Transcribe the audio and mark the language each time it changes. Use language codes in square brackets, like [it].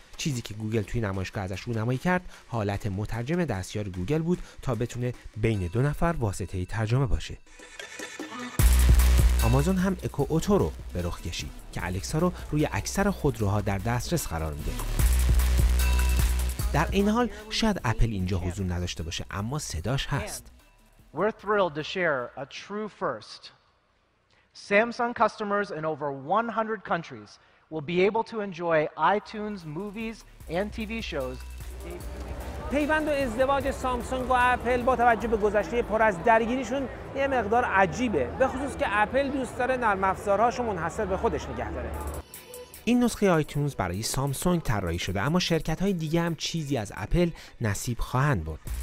[fa] چیزی که گوگل توی نمایشگاه ازش رو نمایی کرد حالت مترجم دستیار گوگل بود تا بتونه بین دو نفر واسطه ترجمه باشه. آمازون هم اکو اوتو رو به رخ کشید که الکسا رو روی اکثر خودروها در دسترس قرار میده. در این حال شاید اپل اینجا حضور نداشته باشه، اما صداش هست. [en] We're thrilled to share a true first. Samsung customers in over 100 countries will be able to enjoy iTunes movies and TV shows. [fa] پیوند و ازدواج سامسونگ و اپل با توجه به گذشته پر از درگیریشون یه مقدار عجیبه، به خصوص که اپل دوست داره نرم افزارهاشو منحصر به خودش نگه داره. این نسخه آیتونز برای سامسونگ طراحی شده، اما شرکت‌های دیگه هم چیزی از اپل نصیب خواهند برد.